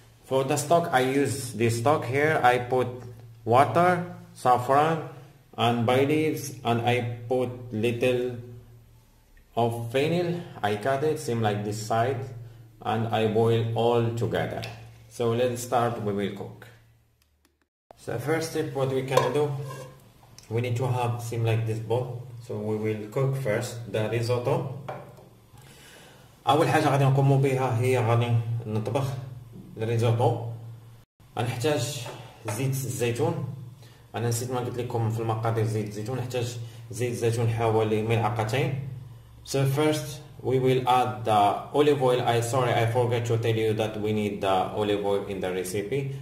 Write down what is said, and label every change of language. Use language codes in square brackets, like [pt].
[en] For the stock, I use this stock here. I put water, saffron, and bay leaves, and I put little of fennel. I cut it, same like this side, and I boil all together. So let's start, we will cook. So first step, what we can do, we need to have same like this bowl. So we will cook first the risotto. [ar] أول حاجة غادي نقوم بها هي غادي نطبخ الريزوتو. نحتاج زيت الزيتون. انا نسيت ما قلت لكم في المقادير زيت الزيتون. نحتاج زيت الزيتون حوالي ملعقتين. [en] So first we will add the olive oil. I forgot to tell you that we need the olive oil in the recipe.